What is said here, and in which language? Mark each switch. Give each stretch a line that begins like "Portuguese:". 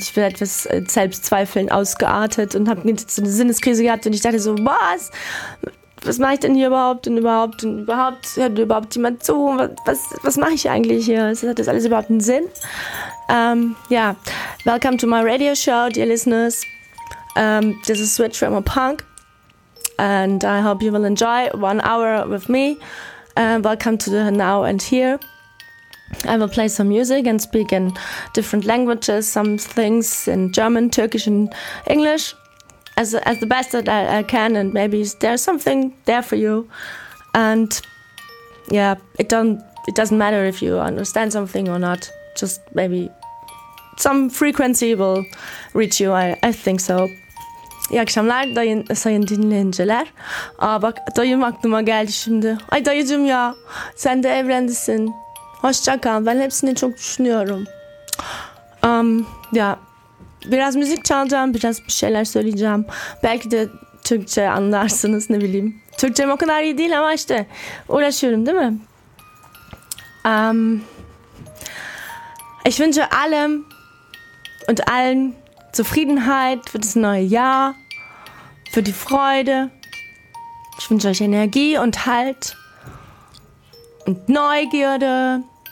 German: Ich bin etwas Selbstzweifeln ausgeartet und habe so eine Sinneskrise gehabt. Und ich dachte so, was? Was mache ich denn hier überhaupt? Und überhaupt? Und überhaupt? Hört überhaupt jemand zu? Was mache ich eigentlich hier? Hat das alles überhaupt einen Sinn?
English: Ja, welcome to my radio show, dear listeners. This is Switch from a Punk. And I hope you will enjoy 1 hour with me. Welcome to the now and here. I will play some music and speak in different languages, some things in German, Turkish and English as the best that I can, and maybe there's something there for you. And yeah, it doesn't matter if you understand something or not, just maybe some frequency will reach you, I think so.
Turkish: İyi akşamlar sayın dinleyiciler. Aa bak, dayım aklıma geldi şimdi. Ay dayıcım ya, sen de evrendesin. Hoşça kal. Ben hepsini çok düşünüyorum. Ya biraz müzik çalacağım, biraz bir şeyler söyleyeceğim. Belki de Türkçe anlarsınız, ne bileyim. Türkçem o kadar iyi değil ama işte uğraşıyorum, değil mi?
German: Ich wünsche allem und allen Zufriedenheit für das neue Jahr, für die Freude. Ich wünsche euch Energie und Halt und Neugierde.